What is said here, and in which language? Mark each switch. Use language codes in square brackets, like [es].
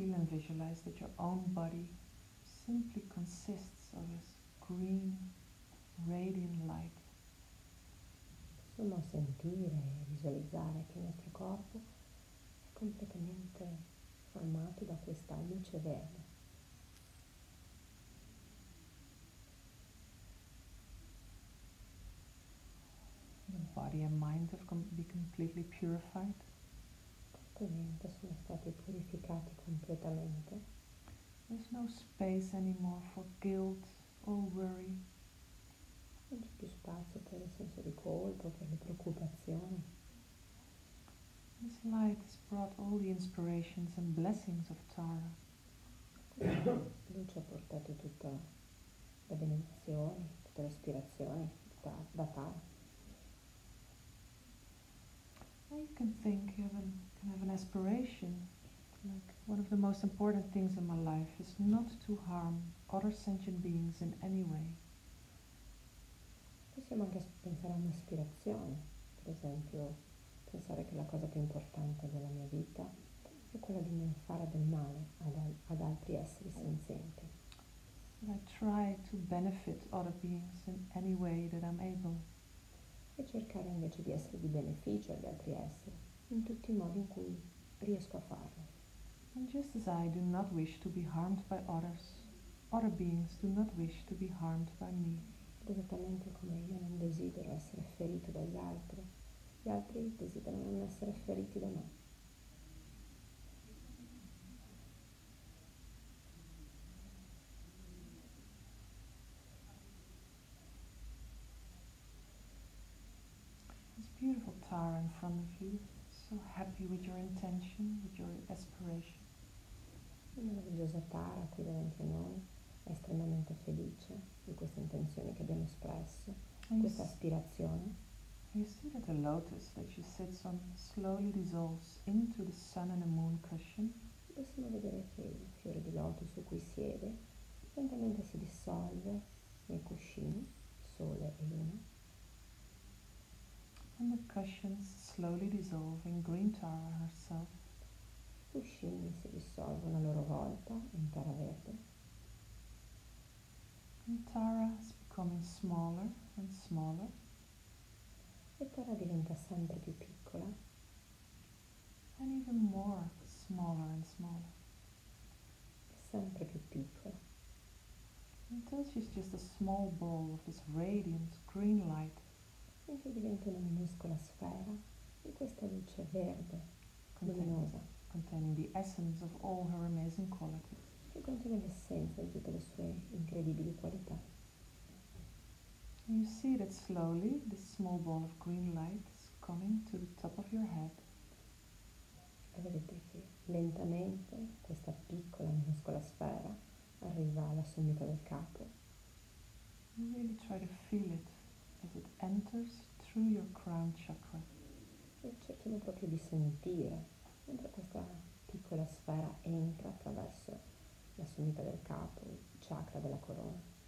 [en] visualize that your own body simply consists of this green, radiant light. [it] Possiamo sentire e visualizzare che il nostro corpo è completamente formato da questa luce verde. [en] Body and mind have be completely purified. [it] Completamente sono stati purificati completamente. [en] There's no space anymore for guilt or worry. [it] Non c'è più spazio per il senso di colpa, per le preoccupazioni. [en] This light has brought all the inspirations and blessings of Tara. [it] Questa luce ha portato tutta la benedizione, tutta l'ispirazione da Tara. [en] You can think of an aspiration, like one of the most important things in my life is not to harm other sentient beings in any way. [it] Possiamo anche pensare a un'aspirazione, per esempio, pensare che la cosa più importante della mia vita è quella di non fare del male ad altri esseri senzienti. [en] And I try to benefit other beings in any way that I'm able. [it] E cercare invece di essere di beneficio agli altri esseri, in tutti i modi in cui riesco a farlo. [en] And just as I do not wish to be harmed by others, other beings do not wish to be harmed by me. [it] Esattamente come io non desidero essere ferito dagli altri, gli altri desiderano non essere feriti da me. [en] Beautiful Tara in front of you, so happy with your intention, with your aspiration. [it] Meravigliosa Tara qui davanti a noi, estremamente felice di questa intenzione che abbiamo espresso, questa aspirazione. [en] You see that the lotus that she sits on slowly dissolves into the sun and the moon cushion. [it] Possiamo vedere che il fiore di loto su cui siede lentamente si dissolve nei cuscini, sole e luna. [en] And the cushions slowly dissolve in green Tara herself. [it] I cuscini si dissolvono a loro volta in Tara verde. [en] And Tara is becoming smaller and smaller. [it] E Tara diventa sempre più piccola. [en] And even more smaller and smaller. [it] E sempre più piccola. [en] Until she's just a small ball of this radiant green light. [it] Finché diventa una minuscola sfera di questa luce verde, luminosa, [en] containing the essence of all her amazing qualities. [it] Che contiene l'essenza di tutte le sue incredibili qualità. [en] And you see that slowly this small ball of green light is coming to the top of your head. [it] E vedete che lentamente questa piccola minuscola sfera arriva alla sommità del capo. [en] You really try to feel it. As it enters through your crown chakra. [it] E cerchiamo proprio di sentire mentre questa piccola sfera entra attraverso la sommità del capo, il chakra della corona.